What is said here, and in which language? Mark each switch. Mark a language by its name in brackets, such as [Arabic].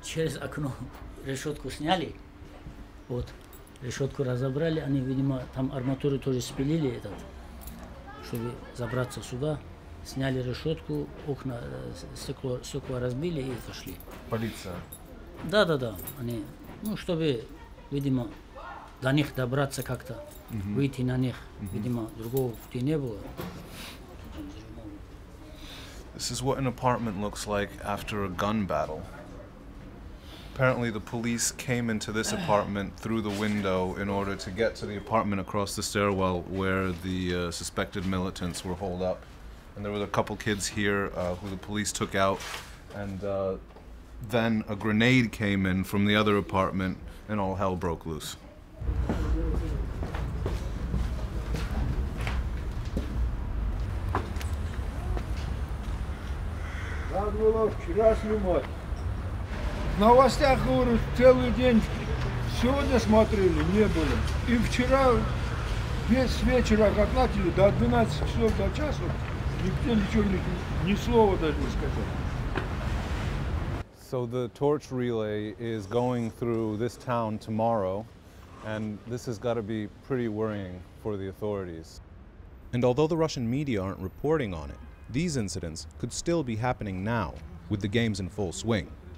[Russian] Через окно решетку сняли, вот, решетку разобрали, они, видимо, там арматуру тоже спилили, этот, чтобы забраться сюда, сняли решетку, окна, стекло разбили и зашли. Полиция? Да, они, ну, чтобы, видимо, до них добраться как-то, выйти на них, видимо, другого пути не было. [English] This is what an apartment looks like after a gun battle. Apparently the police came into this apartment through the window in order to get to the apartment across the stairwell where the suspected militants were holed up. And there were a couple kids here who the police took out. And then a grenade came in from the other apartment and all hell broke loose. [Russian] На новостях говорят, целый день сегодня смотрели, не было. И вчера весь вечер, как начали, до 12 часов, до часа, никто ничего, ни слова даже не сказал. [English] So the torch relay is going through this town tomorrow, and this has got to be pretty worrying for the authorities. And although the Russian media aren't reporting on it, these incidents could still be happening now, with the games in full swing.